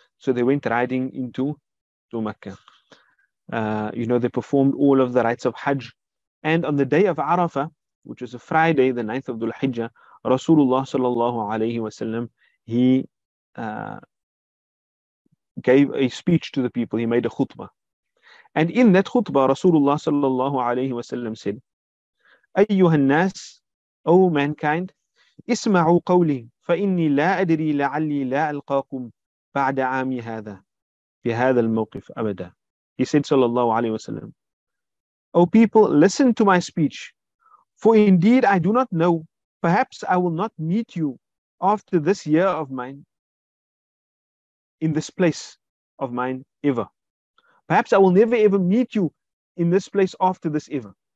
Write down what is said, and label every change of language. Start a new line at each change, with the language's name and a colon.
English: So they went riding into Mecca. You know, they performed all of the rites of Hajj. And on the day of Arafah, which is a Friday, the 9th of Dhul Hijjah, Rasulullah sallallahu alayhi wa sallam, he gave a speech to the people. He made a khutbah. And in that khutbah, Rasulullah sallallahu alayhi wa sallam said,
Arabic: أَيُّهَا النَّاسِ أَوْ
English: mankind,
Arabic: اسْمَعُوا قَوْلِي فَإِنِّي لَا أَدْرِي لَعَلِّي لَا أَلْقَاكُمْ بَعْدَ عَامِي هَذَا بِهَذَا الْمَوْقِفِ أَبَدًا.
English: He said sallallahu alayhi wa sallam, O people, listen to my speech, for indeed I do not know, perhaps I will not meet you after this year of mine in this place of mine ever. Perhaps I will never ever meet you in this place after this ever.